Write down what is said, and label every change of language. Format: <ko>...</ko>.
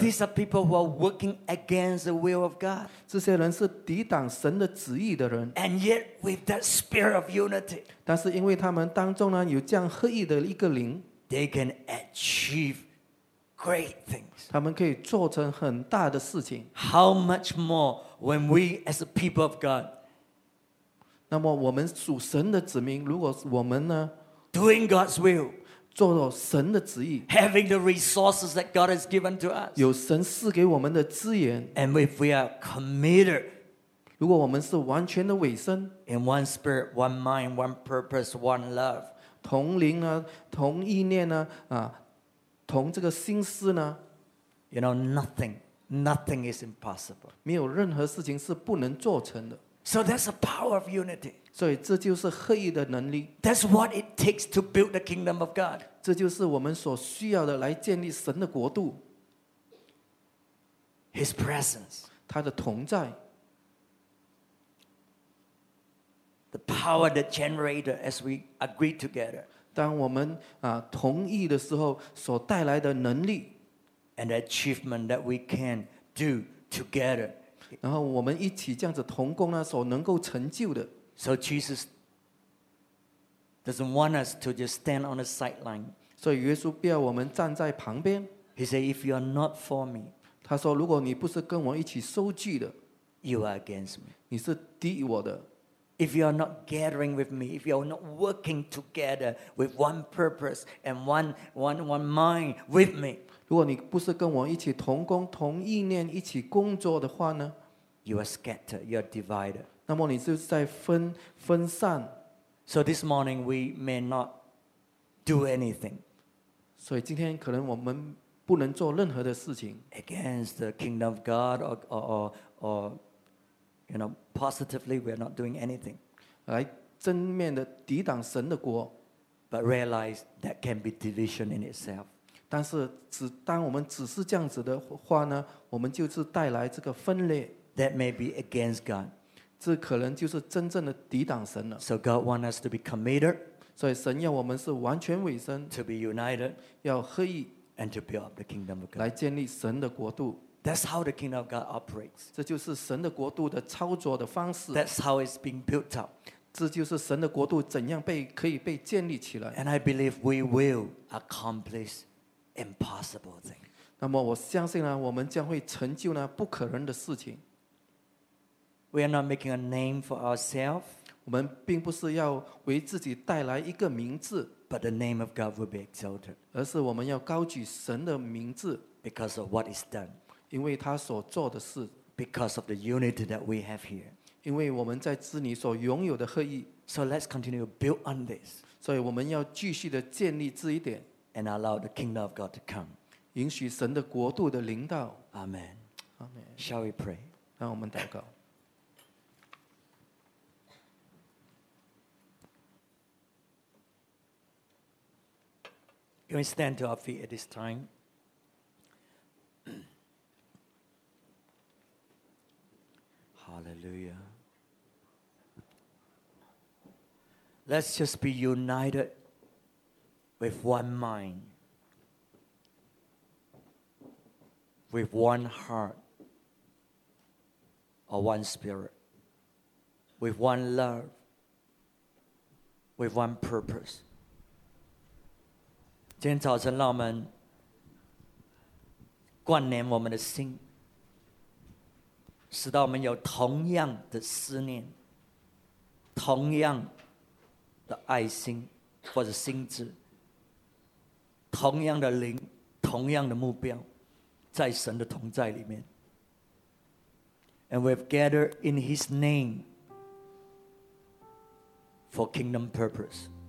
<en>These are people who are working against the will of God.</en> <zh>这些人是抵挡神的旨意的人。</zh> <en>And yet, with that spirit of unity.</en> <zh>但是因为他们当中呢有这样合一的一个灵。</zh> <en>They can achieve great things.</en> <zh>他们可以做成很大的事情。</zh> <en>How much more when we as a people of God?</en> <zh>那么我们属神的子民，如果我们呢</zh> <en>？Doing God's will.</en> <zh>做到神的旨意。</zh> <en>Having the resources that God has given to us.</en> <zh>有神赐给我们的资源。</zh> <en>And if we are committed.</en> <zh>如果我们是完全的委身。</zh> <en>In one spirit, one mind, one purpose, one love.</en> <zh>同灵啊，同意念呢、啊，啊，同这个心思呢</zh> <en>，You know nothing is impossible.</en> <zh>没有任何事情是不能做成的。</zh> <en>So that's the power of unity.</en> <zh>所以这就是合一的能力。</zh> <en>That's what it takes to build the kingdom of God.</en> <zh>这就是我们所需要的来建立神的国度。</zh> <en>His presence.</en> <zh>他的同在。</zh> <en>The power that generated as we agreed together.</en> <zh>当我们啊同意的时候所带来的能力</zh> <en>，and the achievement that we can do together.</en> <zh>然后我们一起这样子同工呢，所能够成就的。</zh> <en>So Jesus doesn't want us to just stand on the sideline.</en> <zh>所以耶稣不要我们站在旁边。</zh> <en>He said, "If you are not for me,"</en> <zh>他说，如果你不是跟我一起收据的</zh> <en>，you are against me.</en> <zh>你是敌我的。</zh> <en>If you are not gathering with me, if you are not working together with one purpose and one mind with me,</en> <zh>如果你不是跟我一起同工同意念一起工作的话呢</zh> <en>，you are scattered, you are divided.</en> <zh>那么你就是在分散。</zh> <en>So this morning we may not do anything.</en> <zh>所以今天可能我们不能做任何的事情</zh> <en>against the kingdom of God or. You know, positively, we are not doing anything.</en> <zh>来正面的抵挡神的国</zh> <en>But realize that can be division in itself.</en> <zh>但是只当我们只是这样子的话呢，我们就是带来这个分裂</zh> <en>That may be against God.</en> <zh>这可能就是真正的抵挡神了。</zh> <en>So God wants us to be committed.</en> <zh>所以神要我们是完全委身。</zh> <en>To be united.</en> <zh>要合一。</zh> <en>And to build up the kingdom of God.</en> <zh>来建立神的国度。</zh> <en>That's how the kingdom of God operates.</en> <zh>这就是神的国度的操作的方式。</zh> <en>That's how it's being built up.</en> <zh>这就是神的国度怎样被可以被建立起来。</zh> <en>And I believe we will accomplish impossible things.</en> <zh>那么我相信呢，我们将会成就呢不可能的事情。</zh> <en>We are not making a name for ourselves.</en> <zh>我们并不是要为自己带来一个名字。</zh> <en>But the name of God will be exalted.</en> <zh>而是我们要高举神的名字。</zh> <en>Because of what is done.</en> <zh>因为他所做的事。</zh> <en>Because of the unity that we have here.</en> <zh>因为我们在知你所拥有的合一。</zh> <en>So let's continue to build on this.</en> <zh>所以我们要继续的建立这一点。</zh> <en>And allow the kingdom of God to come.</en> <zh>允许神的国度的临到。</zh> <en>Amen. Amen. Shall we pray?</en> <zh>让我们祷告。</zh> <en>Can we stand to our feet at this time? Hallelujah. Let's just be united with one mind, with one heart, or one spirit, with one love, with one purpose.</en> <zh>今天早晨让我们灌连我们的心，使到我们有同样的思念，同样的爱心或者心智，同样的灵，同样的目标，在神的同在里面。</zh> <en>And we've gathered in his name for kingdom purpose.</en>